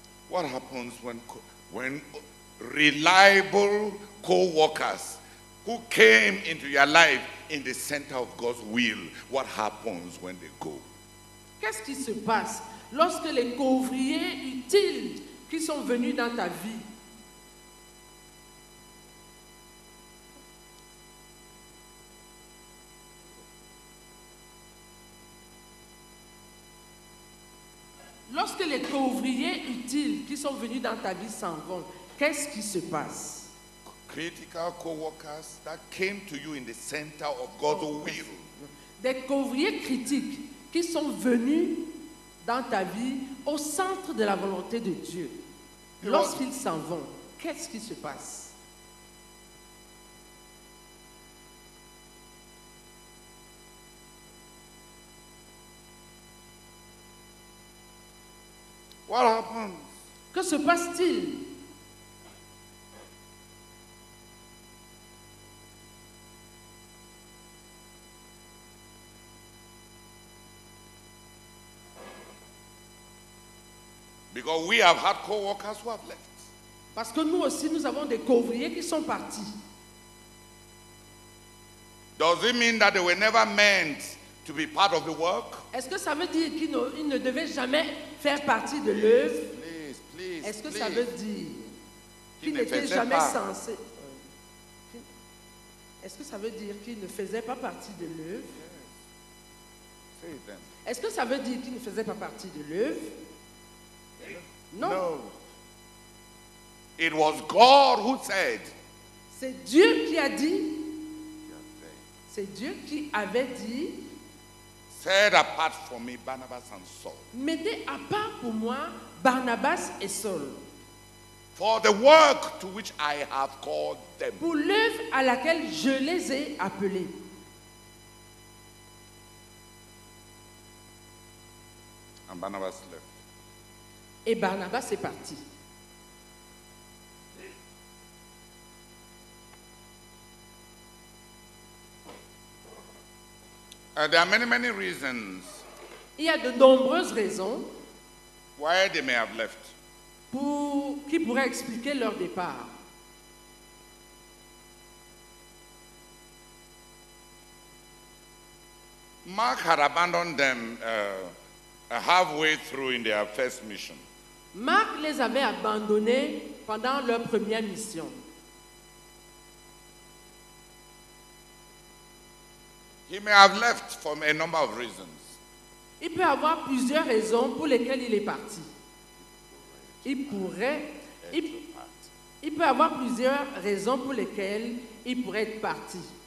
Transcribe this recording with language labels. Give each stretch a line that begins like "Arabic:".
English: What happens when reliable co-workers who came into your life in the center of God's will, what happens when they go?
French: Qu'est-ce qui se passe lorsque les co-ouvriers utiles qui sont venus dans ta vie? Lorsque les co-ouvriers utiles qui sont venus dans ta vie s'en vont, qu'est-ce qui se passe?
English: Critical co-workers that came to you in the center of God's will.
French: Des co-ouvriers critiques qui sont venus dans ta vie au centre de la volonté de Dieu. Lorsqu'ils s'en vont, qu'est-ce qui se passe?
English: What happens?
French: Que se passe-t-il?
English: Because we have had co-workers who have left.
French: Parce que nous aussi, nous avons des co-ouvriers qui sont partis.
English: Does it mean that they were never meant to be part of the work?
French: Est-ce que ça veut dire qu'ils ne devaient jamais faire partie de l'œuvre?
English: Please.
French: Est-ce que
English: please.
French: Ça veut dire qu'ils n'étaient jamais censés? Est-ce que ça veut dire qu'ils ne faisaient pas partie de l'œuvre?
English: Yes.
French: Est-ce que ça veut dire qu'ils ne faisaient pas partie de l'œuvre?
English: No. It was God who said.
French: C'est Dieu qui a dit. C'est Dieu qui avait dit.
English: Set apart for me Barnabas and Saul.
French: Mettez à part pour moi Barnabas et Saul.
English: For the work to which I have called them.
French: Pour l'œuvre à laquelle je les ai appelés.
English: And Barnabas left.
French: Et Barnabas est parti.
English: There are many reasons.
French: Il y a de nombreuses raisons.
English: Why they may have left.
French: Qui pourrait expliquer leur départ.
English: Mark had abandoned them halfway through in their first mission.
French: Mark les avait abandonnés pendant leur première mission.
English: He may have left for a number of reasons.
French: Il peut avoir plusieurs raisons pour lesquelles il est parti. Il peut avoir plusieurs raisons pour lesquelles il pourrait être parti.